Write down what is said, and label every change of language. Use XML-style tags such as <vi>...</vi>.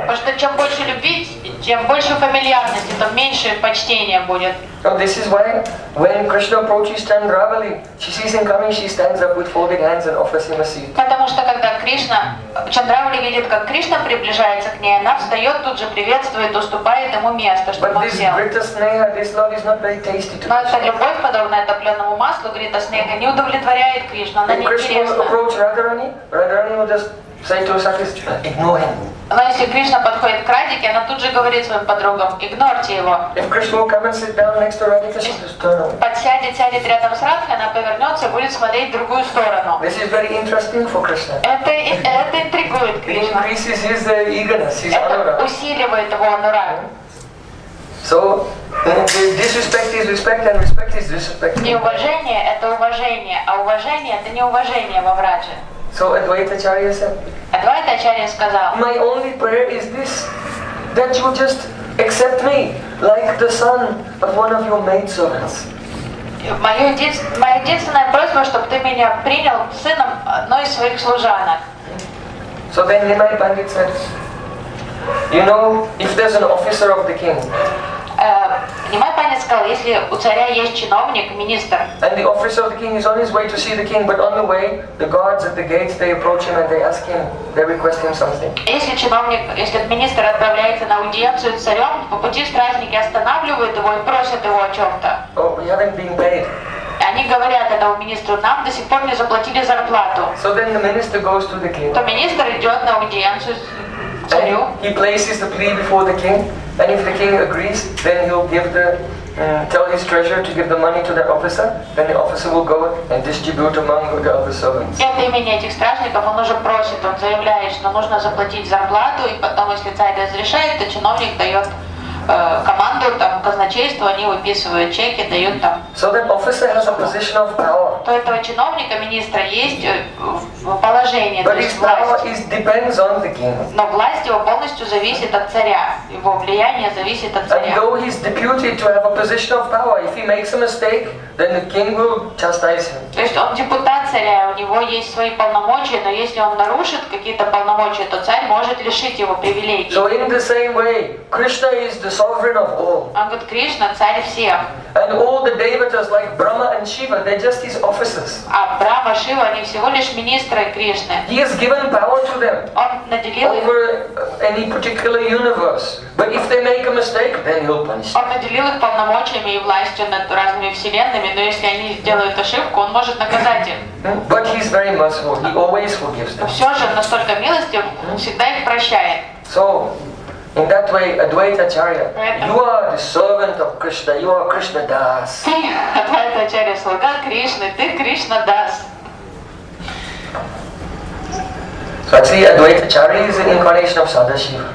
<ru>Потому что чем больше любви, тем больше фамильярности, то меньше почтения будет.</ru> <en>So this is why, when Krishna approaches Chandravali, she sees him coming, she stands up with folded hands and offers him a seat.</en> <ru>Потому что когда Кришна, Чандравали видит, как Кришна приближается к ней, она встает, тут же приветствует, уступает ему место, чтобы он сел.</ru> <en>But this Gritasneha, this love is not very tasty to Krishna.</en> <ru>Но эта любовь, подобная топленому маслу, Гритасней, не удовлетворяет Кришну, она неинтересна.</ru> <en>When Krishna approach Radharani, Radharani will just say to herself, ignore him.</en> <ru>Но если Кришна подходит к Радике, она тут же говорит своим подругам, игнорьте его.</ru> <en>If Krishna will come and sit down next to Radhika, she'll just turn around.</en> <ru>Подсядет, сядет рядом с Радхой, она повернется и будет смотреть в другую сторону.</ru> <en>This is very interesting for Krishna.</en> <ru>Это интригует Кришна.</ru> <en>It increases his eagerness, his anura.</en> <ru>Это усиливает его анура.</ru> <en>So, disrespect is respect, and respect is disrespect.</en> <ru>Неуважение — это уважение, а уважение — это неуважение во Врадже.</ru> <en>So Advaita Acharya said.</en> <ru>Advaita Acharya сказал.</ru> <en>My only prayer is this, that you just accept me like the son of one of your maid servants.</en> <ru>Моя единственная просьба, чтобы ты меня принял сыном одной из своих служанок.</ru> <en>So then Nimai Pandit said, you know, if there's an officer of the king.</en> <ru>Nimai Pandit сказал, если у царя есть чиновник, министр.</ru> <en>And the officer of the king is on his way to see the king, but on the way, the guards at the gates, they approach him and they ask him, they request him something.</en> <ru>Если чиновник, если министр отправляется на аудиенцию с царем, по пути стражники останавливают его и просят его о чем-то.</ru> <en>Oh, we haven't been paid.</en> <ru>Они говорят этому министру, нам до сих пор не заплатили зарплату.</ru> <en>So then the minister goes to the king.</en> <ru>То министр идет на аудиенцию с царю.</ru> <en>And he places the plea before the king. And if the king agrees, then he'll give the tell his treasurer to give the money to the officer. Then the officer will go and distribute among the other servants.</en> <ru>От имени этих стражников он уже просит, он заявляет, что нужно заплатить зарплату, и потом, если царь разрешает, то чиновник дает команду там казначейству, они выписывают чеки, дают там.</ru> <en>So that officer has a position of power.</en> <ru>То этого чиновника, министра, есть положение, то есть власть.</ru> <en>But his power is depends on the king.</en> <ru>Но власть его полностью зависит от царя, его влияние зависит от царя.</ru> <en>And though he's deputed to have a position of power, if he makes a mistake, then the king will chastise him.</en> <ru>То есть он депутат царя, у него есть свои полномочия, но если он нарушит какие-то полномочия, то царь может лишить его привилегий.</ru> <en>So in the same way, Krishna is the sovereign of all.</en> <ru>Он говорит, Кришна царь всех.</ru> <en>And all the devatas like Brahma and Shiva, they're just his officers.</en> <ru>А Брама, Шива, они всего лишь министры Кришны.</ru> <en>He has given power to them.</en> <ru>Он наделил их.</ru> <en>Over any particular universe. But if they make a mistake, then he'll punish them.</en> <ru>Он наделил их полномочиями и властью над разными вселенными, но если они сделают ошибку, он может наказать их.</ru> <en>But he's very merciful. He always forgives them.</en> <ru>Но все же он настолько милостив, он всегда их прощает.</ru> <en>So, in that way, Advaita Acharya, you are the servant of Krishna, you are Krishna Das.</en> <ru>Advaita Acharya, слуга Кришны, ты Кришна Das.</ru> <en>So actually, Advaita Acharya is an incarnation of Sadashiva.</en>